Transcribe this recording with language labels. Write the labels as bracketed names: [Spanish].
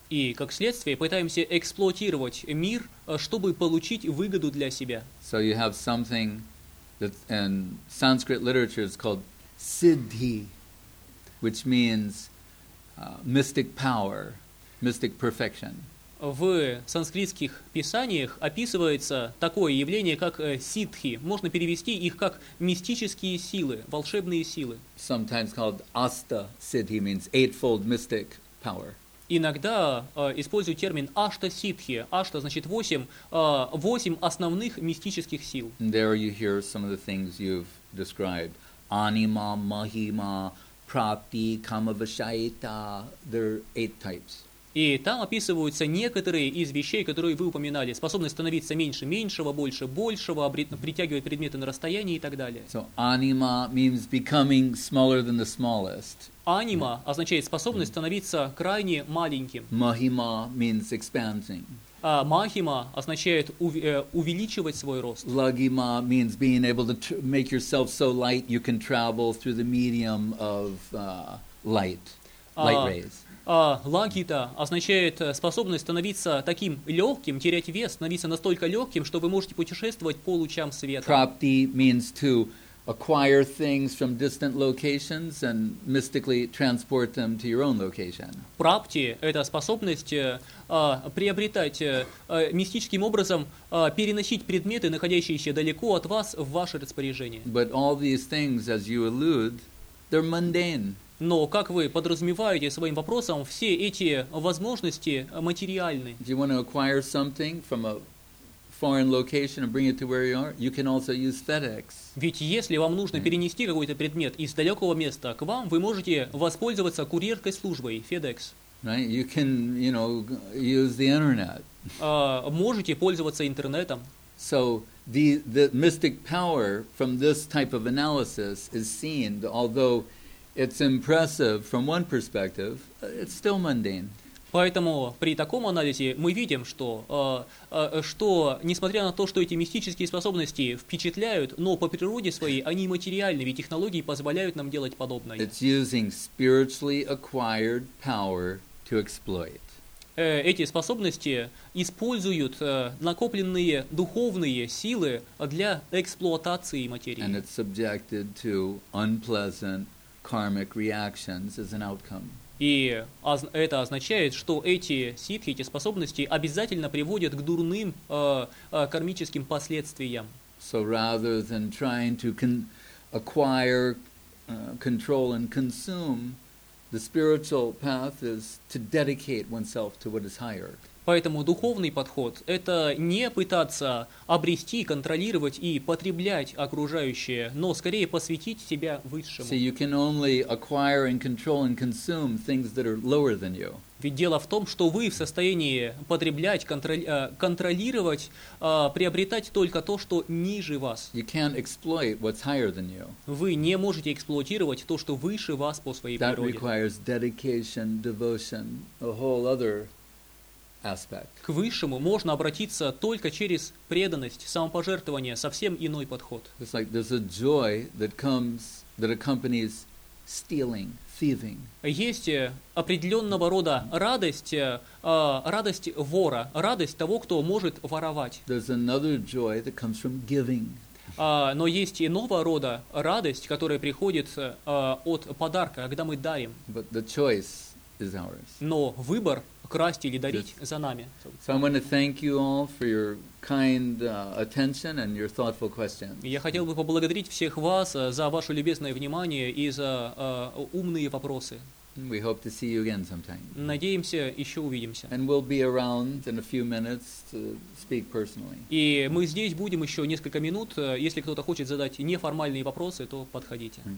[Russian] И, как следствие, пытаемся эксплуатировать мир, чтобы получить выгоду для себя. [English] So you have something that in Sanskrit literature is called siddhi, which means mystic power, mystic perfection. [Russian] В санскритских писаниях описывается такое явление, как сиддхи. Можно перевести их как мистические силы, волшебные силы. [English] Sometimes called asta siddhi, means eightfold mystic power. [Russian] иногда использую термин ашта-ситхи. Ашта значит восемь основных мистических сил. [English] There you hear some of the things you've described. [Russian] Анима, махима, прапти, камавашайта. [English] There are eight types. [Russian] И там описываются некоторые из вещей, которые вы упоминали. Способность становиться меньше меньшего, больше большего, притягивать предметы на расстоянии и так далее. [English] So anima means becoming smaller than the smallest. [Russian] Анима означает способность становиться крайне маленьким. [English] Махима means expanding. [Russian] Махима означает увеличивать свой рост. [English] Лагима means being able to make yourself so light you can travel through the medium of light rays. [Russian] Лагита означает способность становиться таким легким, терять вес, становиться настолько легким, что вы можете путешествовать по лучам света. [English] Прапти means to acquire things from distant locations and mystically transport them to your own location. [Russian] Прапти — это способность приобретать мистическим образом, переносить предметы, находящиеся далеко от вас, в ваше распоряжение. [English] But all these things, as you allude, they're mundane. [Russian] Но, как вы подразумеваете своим вопросом, все эти возможности материальны. [English] If you want to acquire something from a foreign location and bring it to where you are, you can also use FedEx. [Russian] Ведь если вам нужно перенести какой-то предмет из далекого места к вам, вы можете воспользоваться курьерской службой FedEx. [English] Right? You can, you know, use the internet. [Russian] Можете пользоваться интернетом. [English] So the mystic power from this type of analysis is seen, although it's impressive from one perspective, it's still mundane. [Russian] Поэтому при таком анализе мы видим, что, что несмотря на то, что эти мистические способности впечатляют, но по природе своей они материальны, ведь технологии позволяют нам делать подобное. [English] It's using spiritually acquired power to exploit. [Russian] Эти способности используют накопленные духовные силы для эксплуатации материи. [English] And it's subjected to unpleasant karmic reactions as an outcome. [Russian] И это означает, что эти ситхи, эти способности обязательно приводят к дурным кармическим последствиям. [English] So rather than trying to acquire control and consume, the spiritual path is to dedicate oneself to what is higher. [Russian] Поэтому духовный подход — это не пытаться обрести, контролировать и потреблять окружающее, но скорее посвятить себя высшему. [English] So you can only acquire and control and consume things that are lower than you. [Russian] Ведь дело в том, что вы в состоянии потреблять, контролировать, приобретать только то, что ниже вас. [English] You can't exploit what's higher than you. [Russian] Вы не можете эксплуатировать то, что выше вас по своей [English] That [Russian] природе. [English] Requires dedication, devotion, a whole other aspect. [Russian] К высшему можно обратиться только через преданность, самопожертвование, совсем иной подход. [English] It's like there's a joy that comes, that accompanies stealing, thieving. [Russian] Есть определенного рода радость, радость вора, радость того, кто может воровать. [English] There's another joy that comes from giving. [Russian] Но есть иного рода радость, которая приходит от подарка, когда мы дарим. [English] But the choice is ours. [Russian] Но выбор красть или дарить за нами. [English] So I want to thank you all for your kind attention and your thoughtful questions. [Russian] Я хотел бы поблагодарить всех вас за ваше любезное внимание и за умные вопросы. [English] We hope to see you again sometime. [Russian] Надеемся, еще увидимся. [English] And we'll be around in a few minutes to speak personally. [Russian] И мы здесь будем еще несколько минут. Если кто-то хочет задать неформальные вопросы, то подходите.